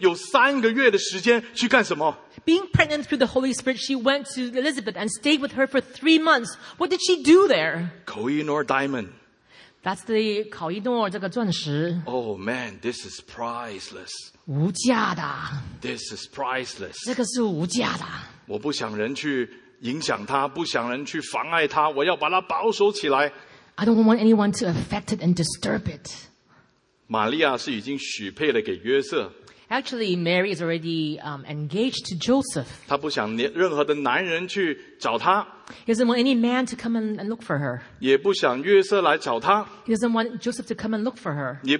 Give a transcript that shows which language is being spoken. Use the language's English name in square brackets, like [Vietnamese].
[Chinese] 这个圣灵怀了孕，在玛利亚的这个怀中，她就跑到这个伊丽莎伯家里面，有三个月的时间去干什么？ [English] Being pregnant through the Holy Spirit, she went to Elizabeth and stayed with her for 3 months. What did she do there? Koh-i-Noor diamond. That's the Koh-i-Noor [Chinese] 这个钻石. [English] Oh man, this is priceless. [Chinese] 无价的. [English] This is priceless. [Chinese] 这个是无价的. 我不想人去 影响他，不想人去妨碍他，我要把他保守起来。 [English] I don't want anyone to affect it and disturb it. [Chinese] 玛利亚是已经许配了给约瑟。 [English] Actually, Mary is already engaged to Joseph. [Chinese] 他不想任何的男人去找他。 [English] He doesn't want any man to come and look for her. [Chinese] 也不想约瑟来找他。 [English] He doesn't want Joseph to come and look for her.